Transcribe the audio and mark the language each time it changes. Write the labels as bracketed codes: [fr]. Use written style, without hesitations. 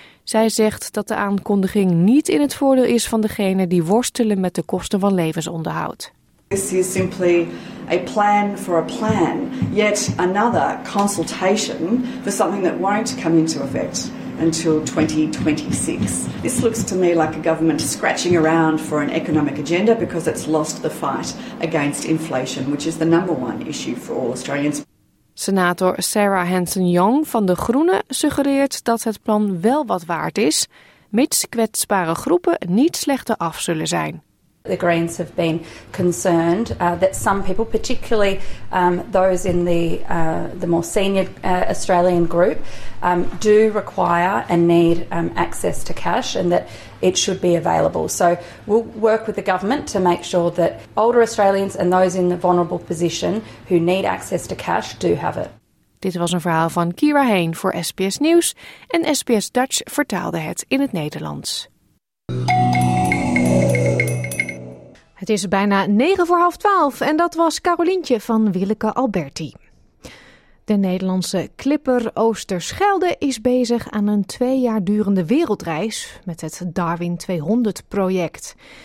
[nl] Zij zegt dat de aankondiging niet in het voordeel is van degene die worstelen met de kosten van levensonderhoud. [en] This is simply a plan for a plan, yet another consultation for something that won't come into effect until 2026. This looks to me like a government scratching around for an economic agenda because it's lost the fight against inflation, which is the number one issue for all Australians. [nl] Senator Sarah Hanson-Young van de Groenen suggereert dat het plan wel wat waard is, mits kwetsbare groepen niet slechter af zullen zijn. [en] The Greens have been concerned that some people, particularly those in the more senior Australian group, do require and need access to cash and that it should be available. So we'll work with the government to make sure that older Australians and those in the vulnerable position who need access to cash do have it. [nl] Dit was een verhaal van Kira Heen voor SBS Nieuws en SBS Dutch vertaalde het in het Nederlands. Het is bijna 9:30 en dat was Carolientje van Willeke Alberti. De Nederlandse klipper Oosterschelde is bezig aan een 2 jaar durende wereldreis met het Darwin 200-project.